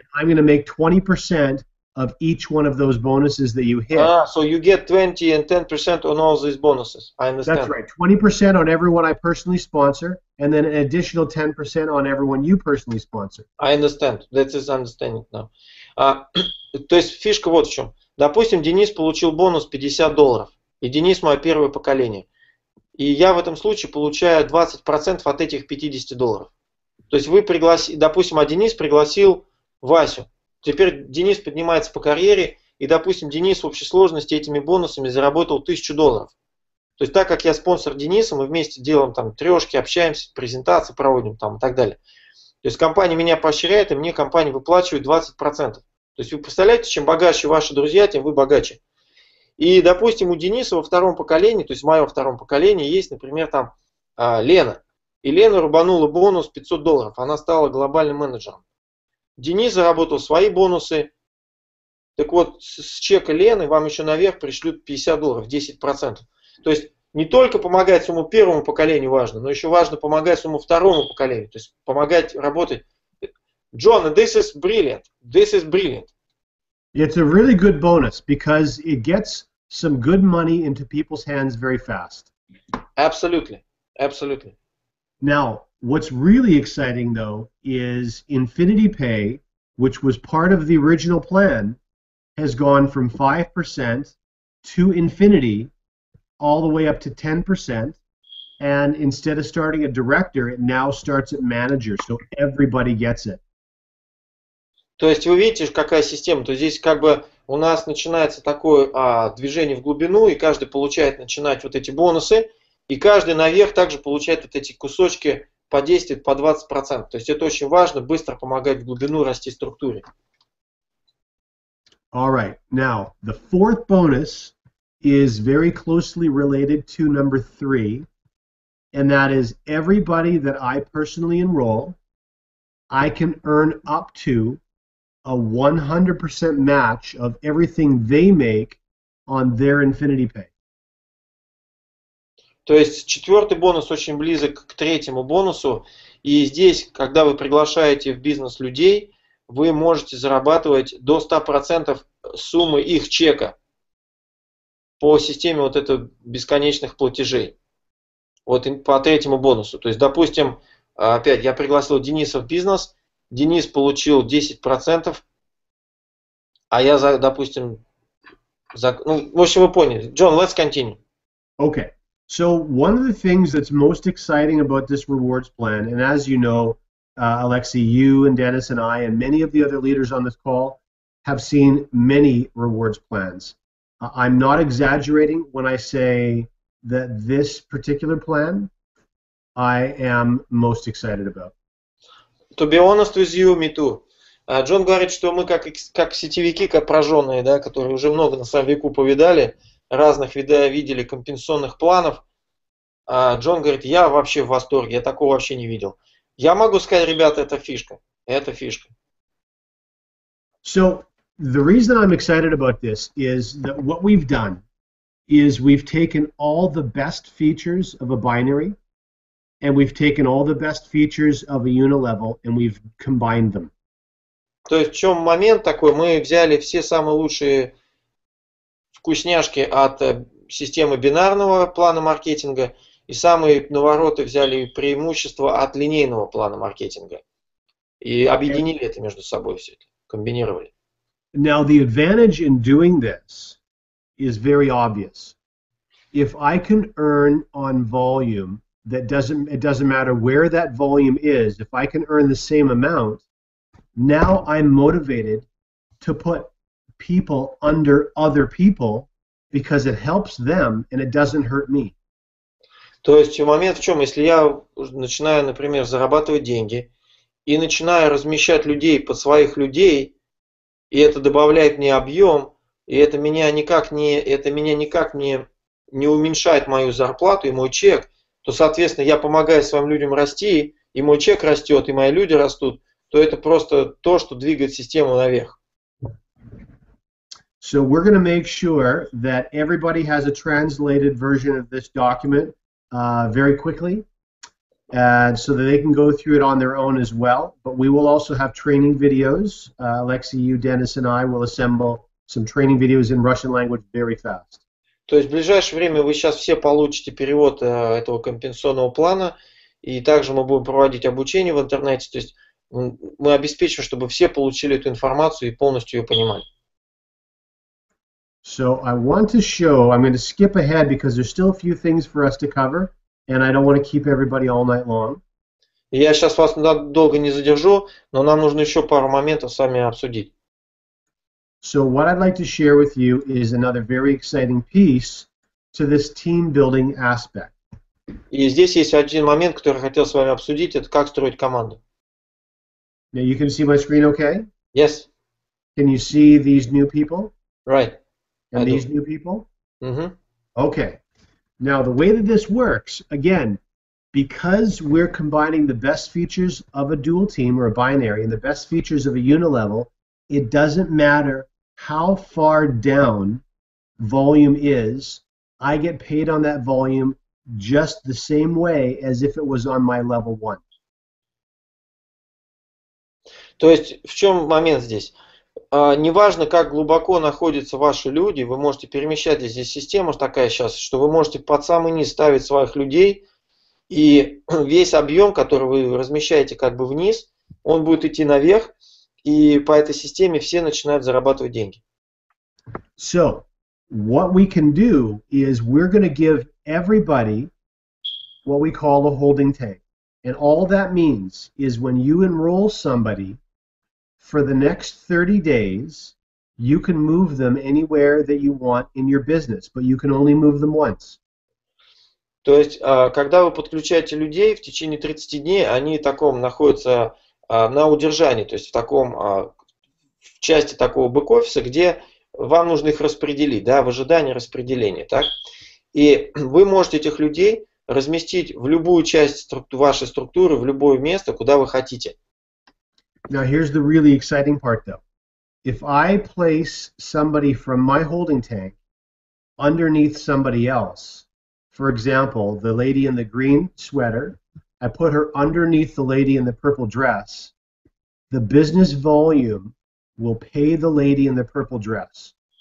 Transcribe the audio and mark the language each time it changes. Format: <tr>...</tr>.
<en>I'm going to make 20% of each one of those bonuses that you hit. So you get 20 and 10% on all these bonuses. I understand. That's right. 20% on everyone I personally sponsor, and then an additional 10% on everyone you personally sponsor. I understand. That is understanding now.</en> <ru>То есть фишка вот в чем. Допустим, Денис получил бонус $50, и Денис мое первое поколение. И я в этом случае получаю 20% от этих $50. То есть вы пригласили, допустим, а Денис пригласил Васю. Теперь Денис поднимается по карьере, и, допустим, Денис в общей сложности этими бонусами заработал $1,000. То есть так как я спонсор Дениса, мы вместе делаем там трешки, общаемся, презентации проводим там и так далее. То есть компания меня поощряет, и мне компания выплачивает 20%. То есть вы представляете, чем богаче ваши друзья, тем вы богаче. И, допустим, у Дениса во втором поколении, то есть в моем втором поколении, есть, например, там Лена. И Лена рубанула бонус $500. Она стала глобальным менеджером. Денис заработал свои бонусы. Так вот, с чека Лены вам еще наверх пришлют $50, 10%. То есть не только помогать своему первому поколению важно, но еще важно помогать своему второму поколению. То есть помогать работать.</ru> <en>Джон, this is brilliant. This is brilliant. It's a really good bonus because it gets some good money into people's hands very fast. Absolutely. Absolutely. Now, what's really exciting, though, is Infinity Pay, which was part of the original plan, has gone from 5% to infinity all the way up to 10%. And instead of starting a director, it now starts at manager, so everybody gets it.</en> <ru>То есть вы видите, какая система. То есть здесь как бы у нас начинается такое движение в глубину, и каждый получает начинать вот эти бонусы, и каждый наверх также получает вот эти кусочки по 10, по 20%. То есть это очень важно, быстро помогать в глубину расти структуре.</ru> <en>All right. Now, the fourth bonus is very closely related to number three, and that is everybody that I personally enroll, I can earn up to a 100% match of everything they make on their Infinity Pay.</en> <ru>То есть четвертый бонус очень близок к третьему бонусу, и здесь, когда вы приглашаете в бизнес людей, вы можете зарабатывать до 100% суммы их чека по системе вот этого бесконечных платежей. Вот по третьему бонусу. То есть, допустим, опять я пригласил Дениса в бизнес, Денис получил 10%, а я, допустим, ну, в общем, вы поняли.</ru> <en>Джон, let's continue. Okay. So one of the things that's most exciting about this rewards plan, and as you know, Alexei, you and Dennis and I and many of the other leaders on this call have seen many rewards plans. I'm not exaggerating when I say that this particular plan I am most excited about. To be honest with you, me too.</en> <ru>Джон говорит, что мы как сетевики, как прожженные, да, которые уже много на своем веку повидали, разных видели компенсационных планов. Джон говорит, я вообще в восторге, я такого вообще не видел. Я могу сказать, ребята, это фишка. Это фишка.</ru> <en>So, the reason I'm excited about this is that what we've done is we've taken all the best features of a binary and we've taken all the best features of a unilevel and we've combined them.</en> <ru>То есть в чем момент такой? Мы взяли все самые лучшие вкусняшки от системы бинарного плана маркетинга и самые навороты взяли преимущества от линейного плана маркетинга и объединили это между собой все это, комбинировали.</ru> <en>Now the advantage in doing this is very obvious. If I can earn on volume, it doesn't matter where that volume is, if I can earn the same amount, now I'm motivated to put people under other people because it helps them and it doesn't hurt me.</en> <ru>То есть момент в чем, если я начинаю, например, зарабатывать деньги и начинаю размещать людей под своих людей, и это добавляет мне объем, и это меня никак не уменьшает мою зарплату и мой чек, то, соответственно, я помогаю своим людям расти, и мой чек растет, и мои люди растут, то это просто то, что двигает систему наверх.</ru> <en>So we're going to make sure that everybody has a translated version of this document very quickly, and so that they can go through it on their own as well. But we will also have training videos. Alexei, you, Dennis, and I will assemble some training videos in Russian language very fast.</en> <ru>То есть в ближайшее время вы сейчас все получите перевод этого компенсационного плана, и также мы будем проводить обучение в интернете. То есть мы обеспечим, чтобы все получили эту информацию и полностью ее понимали.</ru> <en>So I want to show, I'm going to skip ahead because there's still a few things for us to cover and I don't want to keep everybody all night long.</en> <ru>Я сейчас вас надолго не задержу, но нам нужно еще пару моментов с вами обсудить.</ru> <en>So what I'd like to share with you is another very exciting piece to this team building aspect.</en> <ru>И здесь есть один момент, который я хотел с вами обсудить, это как строить команду.</ru> <en>Now you can see my screen okay? Yes. Can you see these new people? Right. And these new people? Mm-hmm. Okay. Now, the way that this works, again, because we're combining the best features of a dual team or a binary and the best features of a unilevel, it doesn't matter how far down volume is, I get paid on that volume just the same way as if it was on my level one.</en> <ru>То есть, в чем момент здесь? Неважно, как глубоко находятся ваши люди, вы можете перемещать здесь систему такая сейчас, что вы можете под самый низ ставить своих людей, и весь объем, который вы размещаете как бы вниз, он будет идти наверх, и по этой системе все начинают зарабатывать деньги.</ru> <en>So, what we can do is we're going to give everybody what we call a holding tank. And all that means is when you enroll somebody, for the next 30 days, you can move them anywhere that you want in your business, but you can only move them once.</en> <ru>То есть, когда вы подключаете людей, в течение 30 дней они таком находятся на удержании, то есть в таком в части такого бэк-офиса, где вам нужно их распределить, да, в ожидании распределения, так? И вы можете этих людей разместить в любую часть вашей структуры, в любое место, куда вы хотите.</ru> <en>Now here's the really exciting part though. If I place somebody from my holding tank underneath somebody else, for example, the lady in the green sweater, I put her underneath the lady in the purple dress, the business volume will pay the lady in the purple dress.</en>